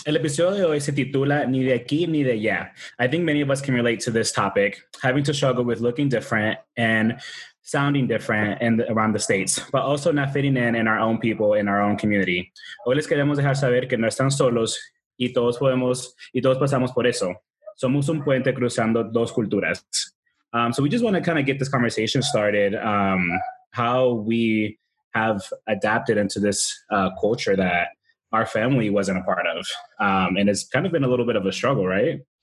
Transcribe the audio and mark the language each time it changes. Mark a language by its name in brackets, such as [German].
[Spanish] El episodio de hoy se titula Ni De Aquí Ni De Allá. [English] I think many of us can relate to this topic, having to struggle with looking different and sounding different and around the States, but also not fitting in our own people, in our own community. [Spanish] Hoy les queremos dejar saber que no están solos y todos podemos y todos pasamos por eso. Somos un puente cruzando dos culturas. [English] So we just want to kind of get this conversation started, how we have adapted into this culture that our family wasn't a part of. And it's kind of been a little bit of a struggle, right?